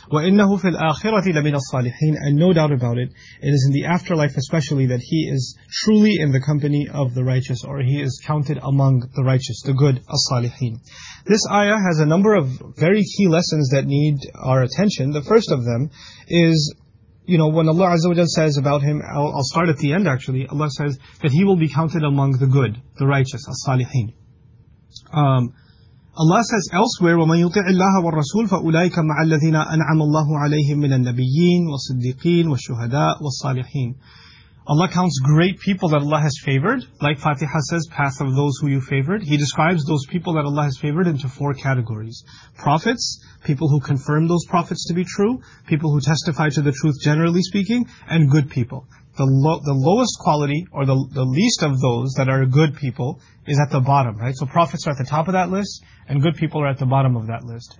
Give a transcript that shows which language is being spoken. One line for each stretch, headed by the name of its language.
Arabic: وَإِنَّهُ فِي الْآخِرَةِ لَمِنَ الصَّالِحِينَ,
English: and no doubt about it, it is in the afterlife especially that he is truly in the company of the righteous, or he is counted among the righteous, the good, الصالحين. This ayah has a number of very key lessons that need our attention. The first of them is, you know, when Allah Azza wa Jalla says about him, I'll start at the end actually, Allah says that he will be counted among the good, the righteous, الصالحين. Allah says elsewhere,
Arabic: وَمَنْ يُطِعِ اللَّهَ وَالرَّسُولَ فَأُولَٰئِكَ مَعَ الَّذِينَ أَنْعَمَ اللَّهُ عَلَيْهِمْ مِنَ النَّبِيِّينَ وَالصِّدِّيقِينَ وَالشُّهَدَاءِ وَالصَّالِحِينَ.
English: Allah counts great people that Allah has favored, like Fatiha says, path of those who you favored. He describes those people that Allah has favored into four categories. Prophets, people who confirm those prophets to be true, people who testify to the truth generally speaking, and good people. The lowest quality, or the least of those that are good people, is at the bottom, right? So prophets are at the top of that list, and good people are at the bottom of that list.